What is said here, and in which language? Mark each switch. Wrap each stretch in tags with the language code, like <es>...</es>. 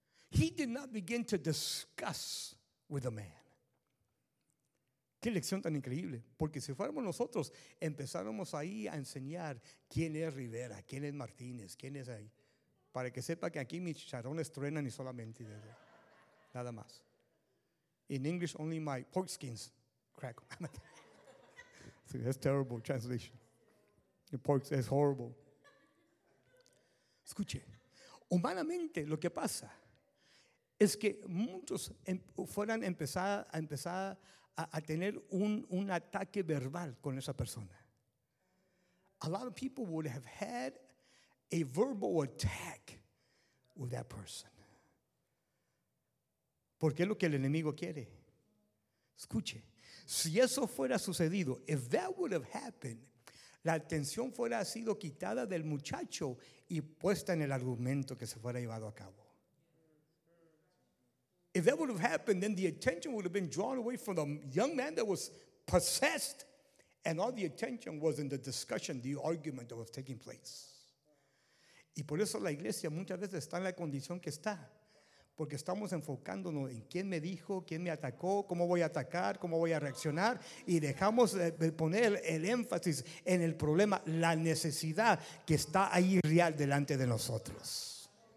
<en>He did not begin to discuss with the man.</en> <es>Qué lección tan increíble. Porque si fuéramos nosotros, empezáramos ahí a enseñar quién es Rivera, quién es Martínez, quién es ahí. Para que sepa que aquí mis chicharrones truenan y solamente nada más.</es> <en>In English, only my pork skins crack. See, that's terrible translation. The pork is horrible.</en> <es>Escuche, humanamente lo que pasa es que muchos fueran empezar a tener un ataque verbal con esa persona.</es> <en>A lot of people would have had a verbal attack with that person.</en> <es>Porque es lo que el enemigo quiere. Escuche, si eso fuera sucedido,</es> <en>if that would have happened,</en> <es>la atención fuera sido quitada del muchacho y puesta en el argumento que se fuera llevado a cabo.</es> <en>If that would have happened, then the attention would have been drawn away from the young man that was possessed, and all the attention was in the discussion, the argument that was taking place.</en> <es>Y por eso la iglesia muchas veces está en la condición que está. Porque estamos enfocándonos en quién me dijo, quién me atacó, cómo voy a atacar, cómo voy a reaccionar. Y dejamos de poner el énfasis en el problema, la necesidad que está ahí real delante de nosotros.</es>